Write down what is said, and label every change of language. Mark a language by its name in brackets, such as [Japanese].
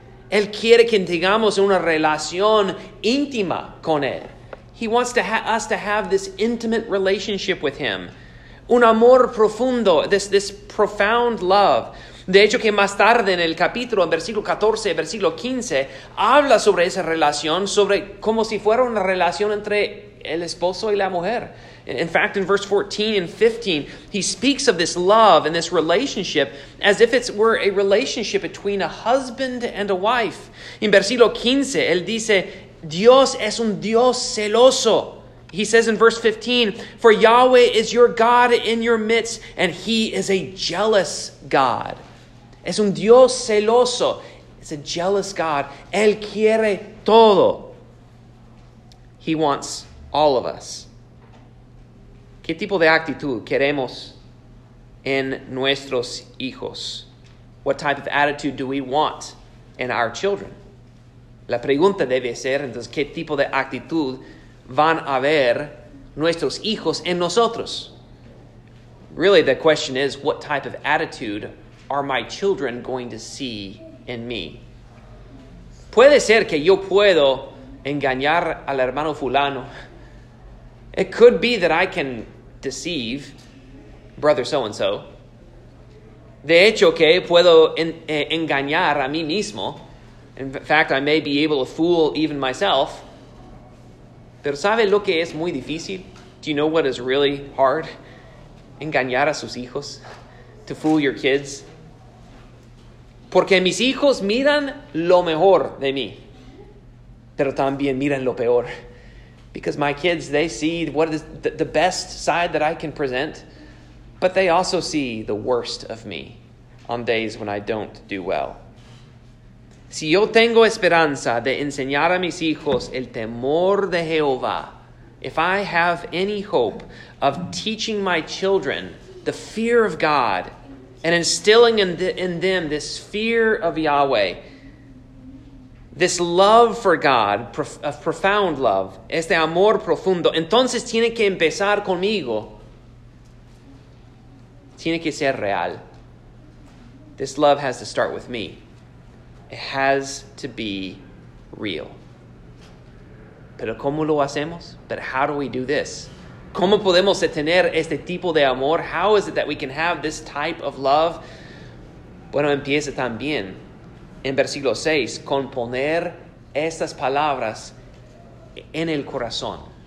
[Spanish] Él quiere que tengamos una relación íntima con Él. [English] He wants us to have this intimate relationship with Him. [Spanish] Un amor profundo, [English] this profound love. [Spanish] De hecho, que más tarde en el capítulo, en versículo 14, versículo 15, habla sobre esa relación, sobre como si fuera una relación entre el esposo y la mujer. [English] In fact, in verse 14 and 15, he speaks of this love and this relationship as if it were a relationship between a husband and a wife. [Spanish] In versículo 15, él dice, Dios es un Dios celoso. [English] He says in verse 15, for Yahweh is your God in your midst, and he is a jealous God. [Spanish] Es un Dios celoso. [English] It's a jealous God. [Spanish] Él quiere todo. [English] He wants all of us. [Spanish] ¿Qué tipo de actitud queremos en nuestros hijos? [English] What type of attitude do we want in our children? [Spanish] La pregunta debe ser, entonces, ¿qué tipo de actitud van a ver nuestros hijos en nosotros? [English] Really, the question is, what type of attitude are my children going to see in me? [Spanish] Puede ser que yo puedo engañar al hermano fulano. [English] It could be that I can deceive brother so-and-so. [Spanish] De hecho, que puedo engañar a mí mismo. [English] In fact, I may be able to fool even myself. [Spanish] Pero ¿sabe lo que es muy difícil? [English] Do you know what is really hard? [Spanish] Engañar a sus hijos. [English] To fool your kids. [Spanish] Porque mis hijos miran lo mejor de mí. Pero también miran lo peor. [English] Because my kids, they see what is the best side that I can present. But they also see the worst of me on days when I don't do well. [Spanish] Si yo tengo esperanza de enseñar a mis hijos el temor de Jehová, [English] if I have any hope of teaching my children the fear of God and instilling in them this fear of Yahweh, this love for God, a profound love, [Spanish] este amor profundo, entonces tiene que empezar conmigo. Tiene que ser real. [English] This love has to start with me. It has to be real. [Spanish] Pero ¿cómo lo hacemos? [English] But how do we do this? [Spanish] ¿Cómo podemos tener este tipo de amor? [English] How is it that we can have this type of love? [Spanish] Bueno, empieza también en versículo 6 con poner estas palabras en el corazón.